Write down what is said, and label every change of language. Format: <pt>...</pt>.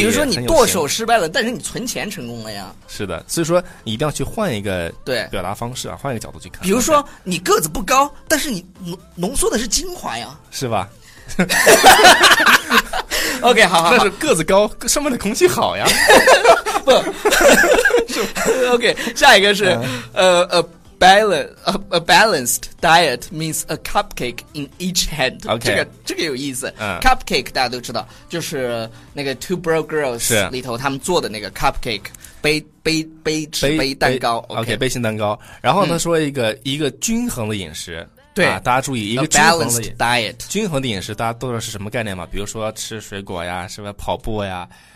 <zh>比如说你剁手失败了，但是你存钱成功了呀？是的，所以说你一定要去换一个对表达方式啊，换一个角度去看。比如说你个子不高，但是你浓缩的是精华呀，是吧？ OK， 好，那是个子高，上面的空气好呀。不，是吧？</zh> <en>OK，</en> <zh>下一个是</zh> <en>a balanced diet means a cupcake in each hand。 OK，</en> <zh>这个有意思。 Cupcake 大家都知道，就是那个 Two Broke Girls 里头他们做的那个 cupcake 杯蛋糕。 OK， 杯心蛋糕。然后呢，说一个均衡的饮食。对、啊、大家注意一个均衡的</zh> <en>diet，</en> <zh>均衡的饮食大家都知道是什么概念吗？比如说吃水果呀，是不是跑步呀，</zh>